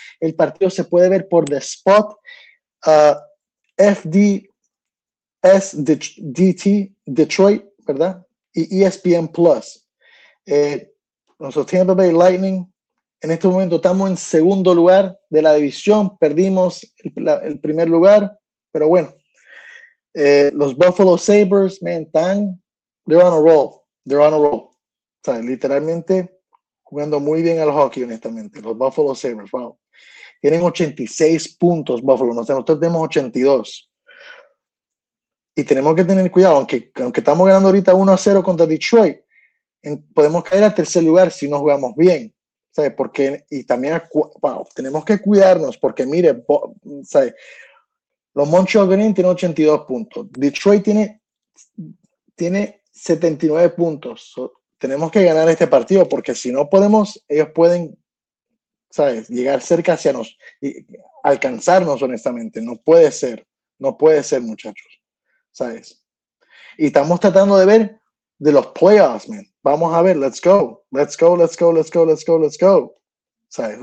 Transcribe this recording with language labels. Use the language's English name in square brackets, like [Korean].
[Spanish] El partido se puede ver por The Spot, FDS DT Detroit, ¿verdad? Y ESPN Plus. Nosotros Tampa Bay Lightning, en este momento estamos en segundo lugar de la división. Perdimos el primer lugar, pero bueno. Los [English] Buffalo Sabres, man, they're on a roll, they're on a roll. [Spanish] O sea, literalmente jugando muy bien al hockey, honestamente. Los Buffalo Sabres, wow. Tienen 86 puntos, Buffalo. Nosotros tenemos 82. Y tenemos que tener cuidado, aunque estamos ganando ahorita 1-0 contra Detroit, podemos caer al tercer lugar si no jugamos bien. ¿Sabes? Porque, y también, wow, tenemos que cuidarnos, porque mire, ¿sabes? Los Montreal Green tienen 82 puntos. Detroit tiene 79 puntos. Tenemos que ganar este partido, porque si no podemos, ellos pueden, ¿sabes? Llegar cerca hacia nos y alcanzarnos, honestamente, no puede ser, no puede ser, muchachos, ¿sabes? Y estamos tratando de ver de los playoffs, man. Vamos a ver, [English] let's go, let's go, let's go, let's go, let's go, let's go, [Spanish] ¿sabes?